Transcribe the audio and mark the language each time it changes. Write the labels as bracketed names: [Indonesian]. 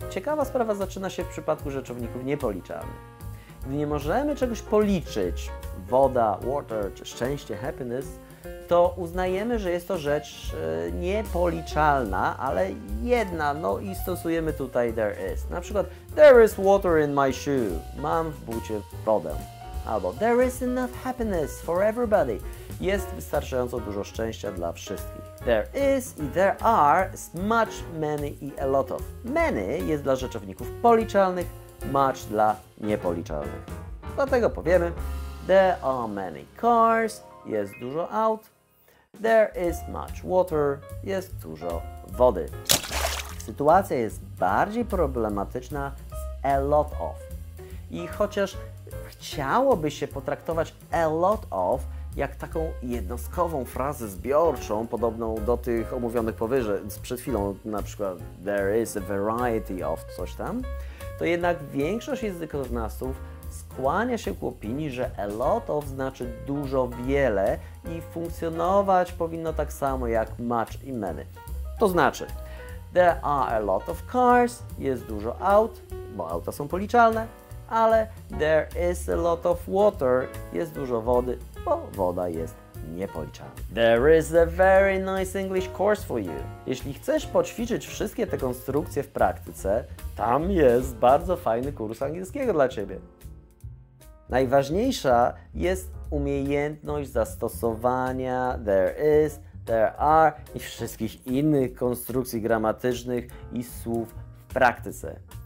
[Polish] Ciekawa sprawa zaczyna się w przypadku rzeczowników niepoliczalnych. Gdy nie możemy czegoś policzyć, woda, water, czy szczęście, happiness, to uznajemy, że jest to rzecz niepoliczalna, ale jedna, no i stosujemy tutaj there is. Na przykład, [English] there is water in my shoe. [Polish] Mam w bucie wodę. [English] Albo, there is enough happiness for everybody. [Polish] Jest wystarczająco dużo szczęścia dla wszystkich. [English] There is i there are is much, many i a lot of. [Polish] Many jest dla rzeczowników policzalnych, much dla niepoliczalnych. Dlatego powiemy, [English] there are many cars, [Polish] jest dużo aut. [English] There is much water, [Polish] jest dużo wody. Sytuacja jest bardziej problematyczna z a lot of. I chociaż chciałoby się potraktować a lot of jak taką jednostkową frazę zbiorczą, podobną do tych omówionych powyżej, przed chwilą na przykład [English] there is a variety of [Polish] coś tam, to jednak większość językoznawców skłania się ku opinii, że a lot of znaczy dużo, wiele i funkcjonować powinno tak samo jak much i many. To znaczy, [English] there are a lot of cars, [Polish] jest dużo aut, bo auta są policzalne, ale [English] there is a lot of water, [Polish] jest dużo wody, bo woda jest niepoliczalna. [English] There is a very nice English course for you. [Polish] Jeśli chcesz poćwiczyć wszystkie te konstrukcje w praktyce, tam jest bardzo fajny kurs angielskiego dla Ciebie. Najważniejsza jest umiejętność zastosowania there is, there are i wszystkich innych konstrukcji gramatycznych i słów w praktyce.